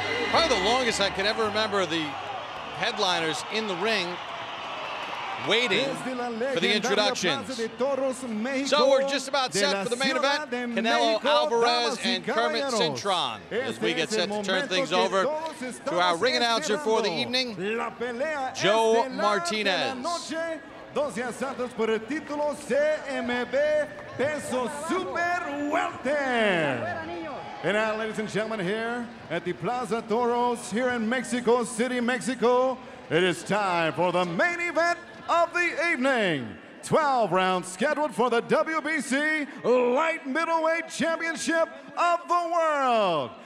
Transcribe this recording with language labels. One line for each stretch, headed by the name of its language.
English: Probably the longest I can ever remember the headliners in the ring waiting for the introductions. So we're just about set for the main event. Canelo Alvarez and Kermit Cintron. As we get set to turn things over to our ring announcer for the evening, Joe Martinez.
Spanish: Dos asaltos por el título CMB peso super welter.
English: And now, ladies and gentlemen, here at the Plaza Toros here in Mexico City, Mexico, it is time for the main event of the evening. 12 rounds scheduled for the WBC light middleweight championship of the world.